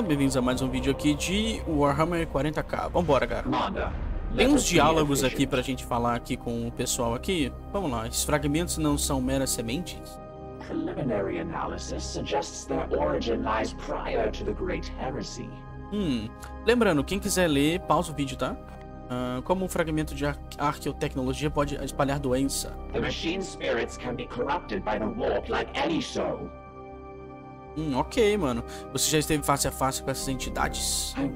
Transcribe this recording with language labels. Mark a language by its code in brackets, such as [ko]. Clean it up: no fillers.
[pt] Bem-vindos a mais um vídeo aqui de Warhammer 40K. Vambora, cara. Tem uns diálogos aqui pra gente falar aqui com o pessoal aqui. Vamos lá, esses fragmentos não são meras sementes? [en] Preliminary analysis suggests their origin lies prior to the Great Heresy. [pt] Lembrando, quem quiser ler, pausa o vídeo, tá? Como um fragmento de arqueotecnologia pode espalhar doença? [en] The machine spirits can be corrupted by the warp like any soul. [pt] Ok, mano. Você já esteve face a face com essas entidades?